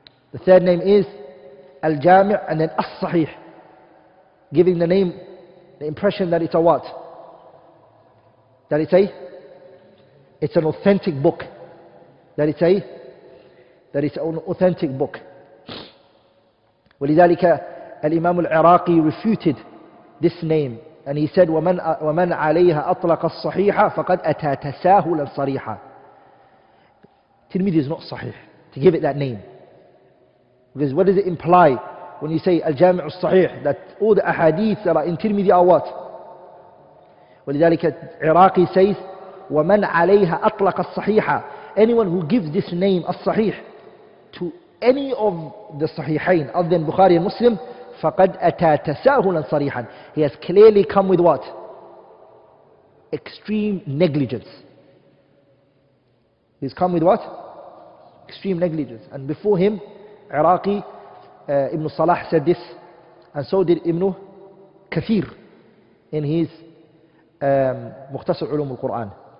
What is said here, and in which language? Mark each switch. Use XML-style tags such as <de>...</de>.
<en>The third name is Al-Jami' and then As-Sahih, giving the name, the impression that it's a what? That it's a? It's an authentic book. That it's a? That it's an authentic book.</en> <ar>ولذلك الإمام العراقي</ar> <en>refuted this name and he said</en> <ar>وَمَنْ عَلَيْهَا أَطْلَقَ الصَّحِيحَ فَقَدْ أَتَى تَسَاهُلًا صَرِيحًا.</ar> <en>Tirmidhi is not sahih to give it that name. Because what does it imply when you say الجامع الصحيح, that all the ahadith that are in Tirmidhi are what?</en> <ar>ولذلك العراقي</ar> <en>says</en> <ar>وَمَنْ عَلَيْهَا أَطْلَقَ الصَّحِيحَ.</ar> <en>Anyone who gives this name الصحيح to any of the sahihain other than Bukhari and Muslim,</en> <ar>فَقَدْ أَتَى تَسَاهُلًا صَرِيحًا.</ar> <en>He has clearly come with what? Extreme negligence. He's come with what? Extreme negligence. And before him, Iraqi, Ibn Salah said this, and so did Ibn Kathir in his Mukhtasar Ulum al-Qur'an.</en>